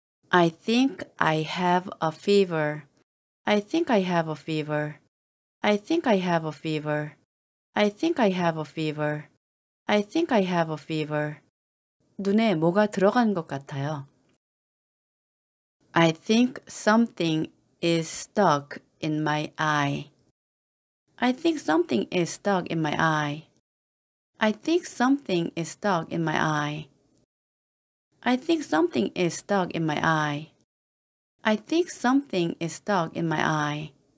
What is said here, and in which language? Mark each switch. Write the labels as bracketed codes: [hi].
[en] I think I have a fever. I think I have a fever. I think I have a fever. I think I have a fever. I think I have a fever. [ko] 눈에 뭐가 들어간 것 같아요. [en] I think something is stuck in my eye. I think something is stuck in my eye. I think something is stuck in my eye. I think something is stuck in my eye. I think something is stuck in my eye.